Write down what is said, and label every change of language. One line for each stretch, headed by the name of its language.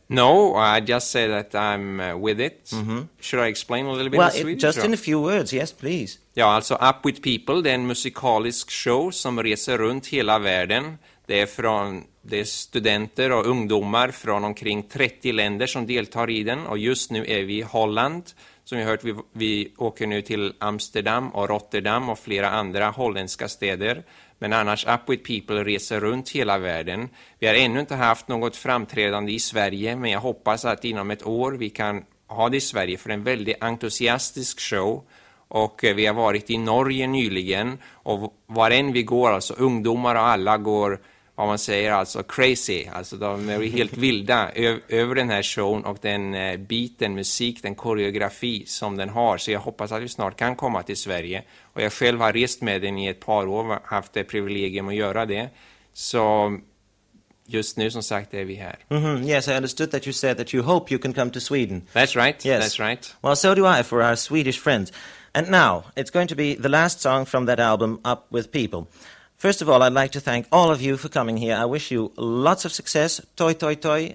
English: No, I just say that I'm with it. Should I explain a little bit well, in Swedish? Just in a few words, yes, please.
Swedish: Ja, alltså Up With People, det är en musikalisk show som reser runt hela världen. Det är studenter och ungdomar från omkring 30 länder som deltar i den. Och just nu är vi i Holland. Som vi hört, vi åker nu till Amsterdam och Rotterdam och flera andra holländska städer. Men annars, Up With People reser runt hela världen. Vi har ännu inte haft något framträdande i Sverige, men jag hoppas att inom ett år vi kan ha det i Sverige för en väldigt entusiastisk show. Och vi har varit i Norge nyligen och var än vi går, alltså ungdomar och alla går, vad man säger, alltså crazy. Alltså de är helt vilda över den här showen och den biten, musik, den koreografi som den har. Så jag hoppas att vi snart kan komma till Sverige. Och jag själv har rest med den i ett par år och haft det privilegium att göra det. Så just nu som sagt är vi här. Mm-hmm.
English: Yes, I understood that you said that you hope you can come to Sweden. That's right, yes. That's right. Well, so do I for our Swedish friends. And now, it's going to be the last song from that album, Up With People. First of all, I'd like to thank all of you for coming here. I wish you lots of success. Toi, toi, toi.